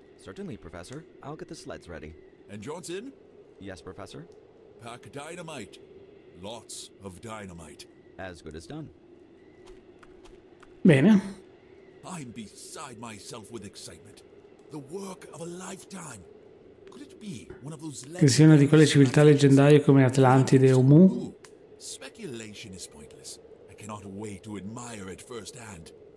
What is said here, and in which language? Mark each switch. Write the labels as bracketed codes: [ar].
[en] Certainly, professor. I'll get the sleds ready. And Johnson? Yes, professor. Pack dynamite. Lots of dynamite. As good as done. Bene. I'm beside myself with excitement. The work of a lifetime. Could it be one of those legendary... [it] Che sia una di quelle civiltà leggendarie come Atlantide o Mu? [en] Speculation is pointless. I cannot wait to admire it firsthand.